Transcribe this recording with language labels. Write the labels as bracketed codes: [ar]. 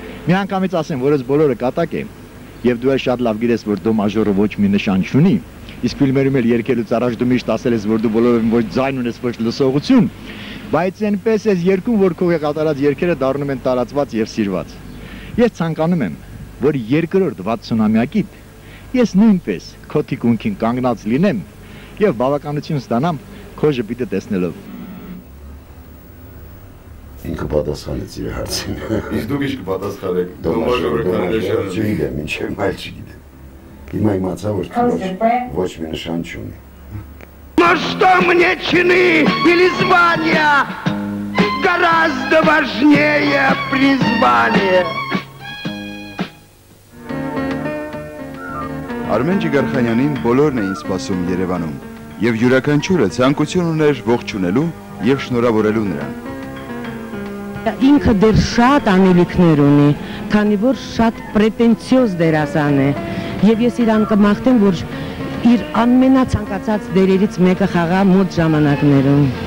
[hy] Մի անգամից ասեմ, որ ես բոլորը կատակ եմ, և դու էլ շատ լավ գիտես, որ դո մաժորը ոչ մի նշան չունի, իսկ ֆիլմերում էլ երգելուց առաջ դու միշտ ասել ես, որ դու բոլորովին ոչ ձայն ունես, ոչ լսողություն, բայց այնպես ես երգում, որ քո կատարած երգերը դառնում են տարածված և սիրված։ Ես ցանկանում եմ, որ երկրորդ 60-ամյակիդ ես նույնպես քո թիկունքին կանգնած լինեմ և բավականություն ստանամ քո ժպիտը տեսնելով։ Ինքը պատասխանեց իր հարցին։ Իսկ դուք ինչ կպատասխանեք։ Չգիտեմ, մինչև այլ չգիտեմ։ Հիմա իմացա, որ ոչ մի նշան չունի։ [ru] Но что мне чины или звания? Гораздо важнее призвание. [hy] Արմեն Ջիգարխանյանին բոլորն էին սպասում Երևանում, և յուրաքանչյուրը ցանկություն ուներ ողջունելու և շնորհավորելու նրան։ Ինքը դեռ շատ անելիքներ ունի, քանի որ շատ պրետենցիոզ դերասան է, և ես իրան կմաղթեմ, որ իր ամենացանկացած դերերից մեկը խաղա մոտ ժամանակներում։